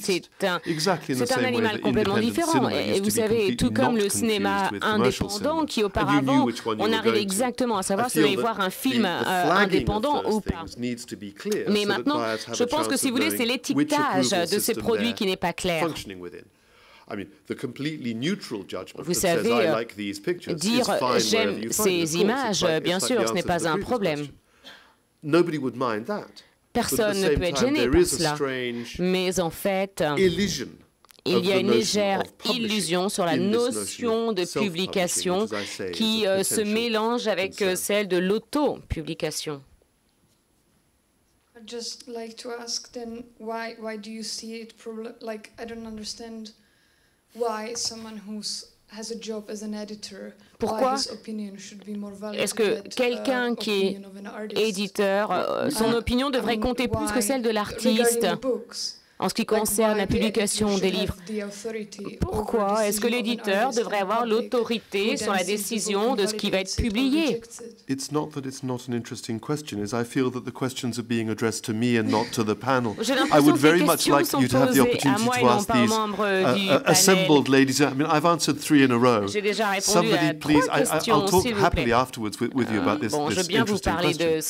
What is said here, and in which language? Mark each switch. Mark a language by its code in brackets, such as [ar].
[fr] C'est un animal complètement différent. Et vous savez, tout comme le cinéma indépendant qui, auparavant, on arrive exactement à savoir si on allait voir un film indépendant ou pas. Mais maintenant, je pense que si vous voulez, c'est l'étiquetage de ces produits qui n'est pas clair. [en] I mean, the completely neutral judgment that says I like these pictures is fine. [fr] Dire j'aime ces images, bien sûr, ce n'est pas un problème. [en] Nobody would mind that. [fr] Personne ne peut être gêné par cela. Mais en fait, il y a une légère illusion sur la notion de publication qui se mélange avec celle de l'auto-publication. [en] I'd just like to ask then why do you see it like I don't understand why someone who's has a job as an editor, [fr] pourquoi [en] why his opinion should be more valid [fr] est-ce que quelqu'un qui est éditeur, son opinion devrait compter plus que celle de l'artiste en ce qui concerne la publication des livres? Pourquoi est-ce que l'éditeur devrait avoir l'autorité sur la décision de ce qui va être publié? [en] It's not that it's not an interesting question, is I feel that the questions are being addressed to me and not to the panel. I would very much like you to have the opportunity to ask these assembled ladies. I mean, I've answered three in a row. Somebody, please, I'll talk happily afterwards with you about this interesting question.